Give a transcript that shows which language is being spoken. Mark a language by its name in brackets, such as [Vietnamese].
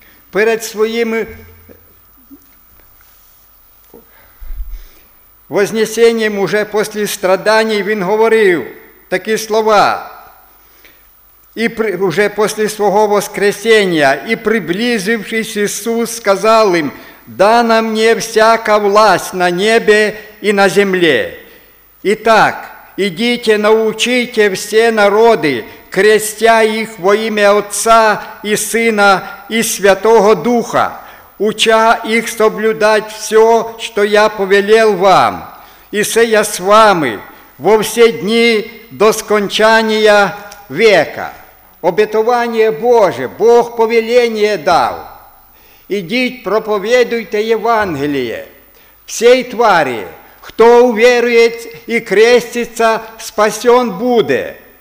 [Ukrainian] Перед своїм вознесенням, уже після страданий, він говорив такі слова. І вже після свого воскресіння, і приблизившись, Ісус сказав їм: [Russian] «Дана мне всяка власть на небе и на земле. Итак, идите, научите все народы, крестя их во имя Отца и Сына и Святого Духа, уча их соблюдать все, что я повелел вам. И се я с вами во все дни до скончания века». Обетование Боже, Бог повеление дал. [Ukrainian] Ідіть, проповідуйте Євангеліє. [Russian] всей твари, хто уверует и крестится, спасен буде.